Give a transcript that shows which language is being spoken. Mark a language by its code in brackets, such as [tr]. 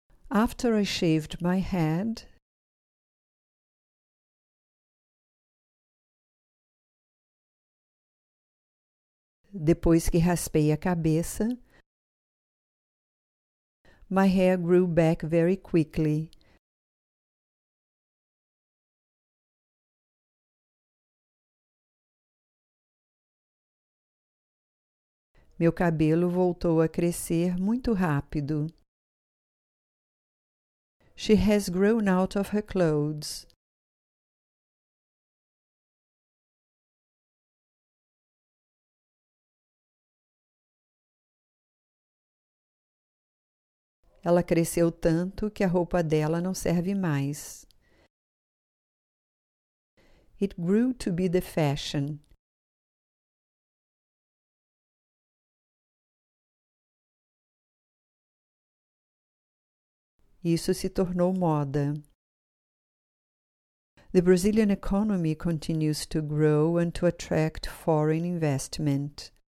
[en] After I shaved my head, [pt] depois que raspei a cabeça, [en] my hair grew back very quickly. [pt] Meu cabelo voltou a crescer muito rápido. [en] She has grown out of her clothes. [pt] Ela cresceu tanto que a roupa dela não serve mais. [en] It grew to be the fashion. [pt] Isso se tornou moda. [en] The Brazilian economy continues to grow and to attract foreign investment.